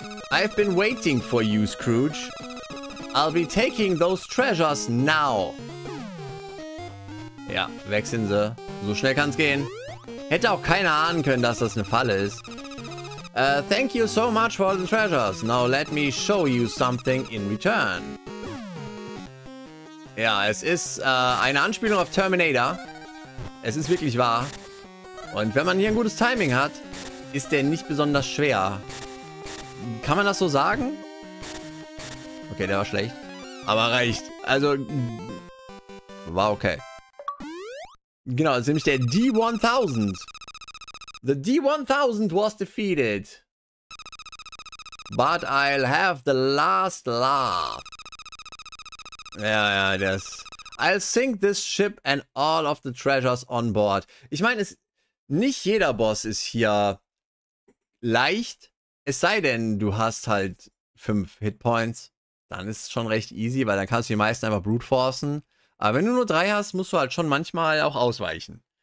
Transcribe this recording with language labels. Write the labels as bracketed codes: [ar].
[en] I've been waiting for you, Scrooge. I'll be taking those treasures now. [de] Ja, weg sind sie. So schnell kann's gehen. Hätte auch keiner ahnen können, dass das eine Falle ist. [en] Thank you so much for the treasures. Now let me show you something in return. [de] Ja, es ist eine Anspielung auf Terminator. Es ist wirklich wahr. Und wenn man hier ein gutes Timing hat, ist der nicht besonders schwer. Kann man das so sagen? Okay, der war schlecht. Aber reicht. Also, war okay. Genau, das ist nämlich der D-1000. [en] The D-1000 was defeated. But I'll have the last laugh. [de] Ja, ja, das. [en] I'll sink this ship and all of the treasures on board. [de] Ich meine, nicht jeder Boss ist hier leicht. Es sei denn, du hast halt 5 Hitpoints, dann ist es schon recht easy, weil dann kannst du die meisten einfach brute-forcen. Aber wenn du nur 3 hast, musst du halt schon manchmal auch ausweichen.